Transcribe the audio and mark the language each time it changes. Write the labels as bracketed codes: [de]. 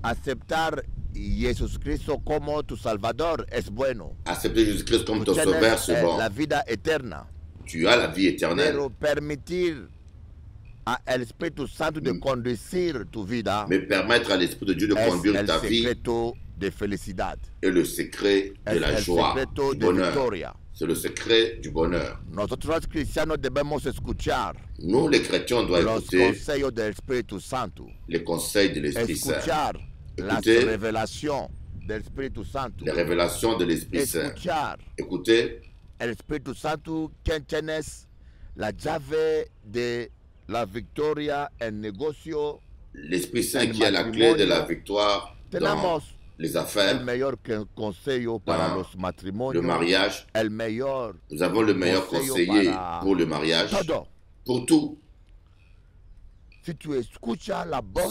[es] Aceptar Jesus Cristo como tu salvador es bueno. [fr] Accepter Jesus Christ comme ton sauveur, c'est bon. [es] La vida eterna. [fr] Tu as la vie éternelle. [es] Pero permitir a el Espíritu Santo de conducir tu vida. [fr] Mais permettre à l'Esprit de Dieu de conduire ta vie. [es] Es el secreto de felicidad. [fr] Et le secret de la joie. [es] Es el secreto de victoria. [fr] C'est le secret du bonheur. [es] Nosotros cristianos debemos escuchar. [fr] Nous les chrétiens doivent écouter. [es] Los consejos del Espíritu Santo. [fr] Les conseils de l'Esprit Saint. [es] Escuchar la révélation del Espíritu Santo. [fr] Les révélations de l'Esprit Saint. [es] Escuchar. [fr] Écoutez. [es] El Espíritu Santo quien tiene la llave de la victoria en negocio. [fr] L'Esprit Saint qui a la clé de la victoire dans les affaires. [es] El mejor consejo para los matrimonios. [fr] Le mariage. [es] El mejor. [fr] Nous avons le meilleur conseiller pour le mariage. [es] Todo. [fr] Pour tout. [es] Si tu escuchas la voz,